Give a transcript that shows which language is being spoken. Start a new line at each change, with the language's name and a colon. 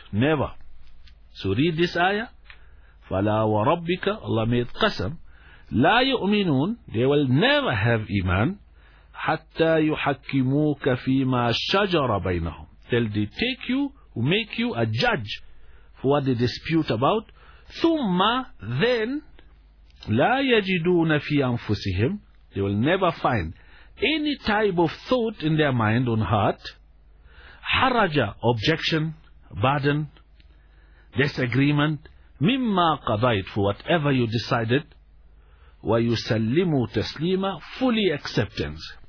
English: Never. So read this ayah.
Arabic: فَلَا وَرَبِّكَ.
English: Allah made qasam.
Arabic: لَا يُؤْمِنُونَ.
English: They will never have iman.
Arabic: حَتَّى يُحَكِّمُوكَ فِيمَا شَجَرَ بَيْنَهُمْ.
English: Till they take you, who make you a judge for what they dispute about.
Arabic: ثُمَّ.
English: Then,
Arabic: لَا يَجِدُونَ فِي أَنفُسِهِمْ.
English: They will never find any type of thought in their mind or heart.
Arabic: حَرَجَ.
English: Objection, burden, disagreement.
Arabic: مِمَّا قَضَيْتَ.
English: For whatever you decided.
Arabic: وَيُسَلِّمُوا تَسْلِيمًا.
English: Fully acceptance.